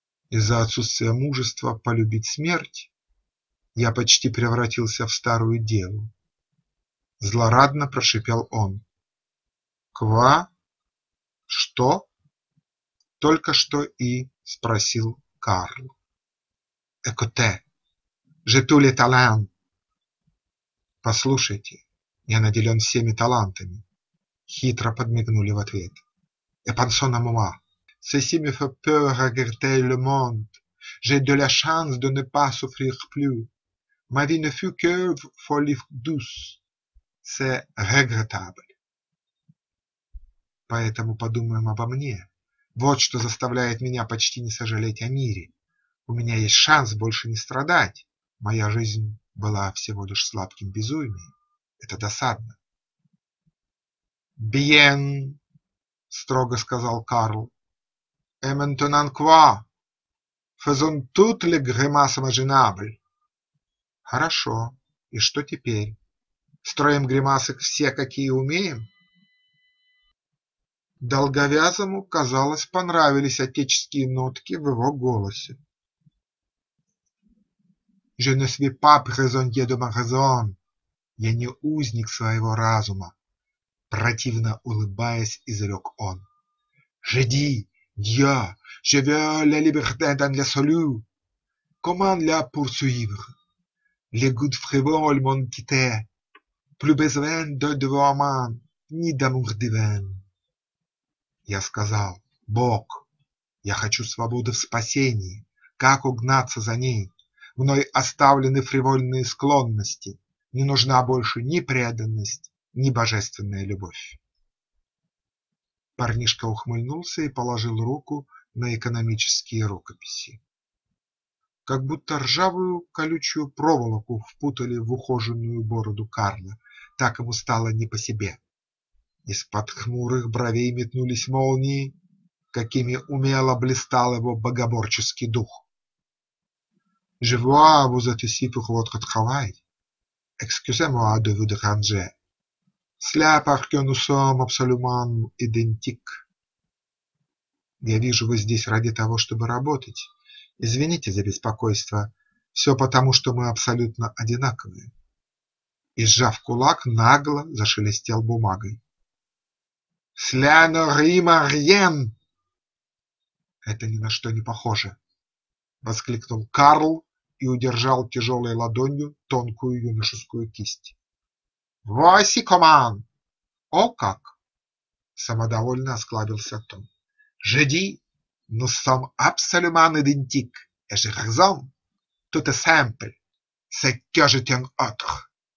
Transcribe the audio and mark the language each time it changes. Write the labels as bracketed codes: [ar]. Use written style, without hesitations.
[ru] «Из-за отсутствия мужества полюбить смерть я почти превратился в старую деву», – злорадно прошипел он. «Ква? Что?» – только что и спросил Карл. [fr] «Écoutez, j'ai tous les talents». [ru] «Послушайте, я наделен всеми талантами», – хитро подмигнули в ответ. [fr] «Et pensons à moi. Ceci me fait peur à regarder le monde. J'ai de la chance de ne pas souffrir plus. Ma vie ne fut que folie douce. C'est regrettable». [ru] «Поэтому подумаем обо мне. Вот что заставляет меня почти не сожалеть о мире. У меня есть шанс больше не страдать. Моя жизнь была всего лишь сладким безумием. Это досадно». «Bien», – строго сказал Карл. [fr] «Et maintenant quoi? Faisons toutes les grimaces imaginables». [ru] «Хорошо. И что теперь? Строим гримасы все, какие умеем?» Долговязому, казалось, понравились отеческие нотки в его голосе. [fr] «Je ne suis pas prisonnier de ma raison. [ru] Я не узник своего разума», – противно улыбаясь, изрек он. [fr] «Je dis, Dieu, je veux la liberté dans le salut. Comment la poursuivre? Les goûts frivoles m'ont quitté. Plus besoin de devoirment, ni d'amour divin». [ru] Я сказал: «Бог, я хочу свободы в спасении. Как угнаться за ней? Мной оставлены фривольные склонности. Не нужна больше ни преданность, ни божественная любовь». Парнишка ухмыльнулся и положил руку на экономические рукописи. Как будто ржавую колючую проволоку впутали в ухоженную бороду Карла, так ему стало не по себе. Из-под хмурых бровей метнулись молнии, какими умело блистал его богоборческий дух. [fr] «Je vois, vous êtes ici pour votre travail. Excusez-moi de vous déranger. Cela parce que nous sommes absolument identiques». [ru] «Я вижу, вы здесь ради того, чтобы работать. Извините за беспокойство. Все потому, что мы абсолютно одинаковые». И, сжав кулак, нагло зашелестел бумагой. [fr] «Cela ne rime à rien!» [ru] «Это ни на что не похоже», – воскликнул Карл и удержал тяжелой ладонью тонкую юношескую кисть. [fr] «Voici comment! [ru] О как!» – самодовольно осклабился Том. [fr] «Je dis, nous sommes absolument identiques, et j'ai raison. Tout est simple, c'est que je t'en autre».